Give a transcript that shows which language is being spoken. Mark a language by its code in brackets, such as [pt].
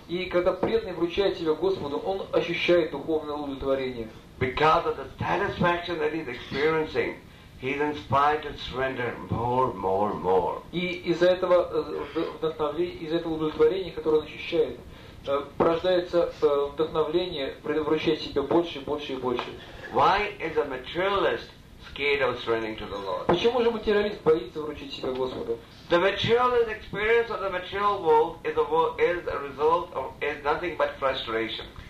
[ru] И когда преданный вручает себя Господу, он ощущает духовное удовлетворение. [en] Because of the satisfaction that he's experiencing, he's inspired to surrender more, more, more. [ru] И из-за этого удовлетворения, которое он ощущает, порождается вдохновление предотвращать себя больше и больше и больше. [en] Why is a materialist scared of surrendering to the Lord? [ru] Почему же материалист боится вручить себя Господу? [en] The materialist experience of the material world is a world, is a result of is nothing but frustration.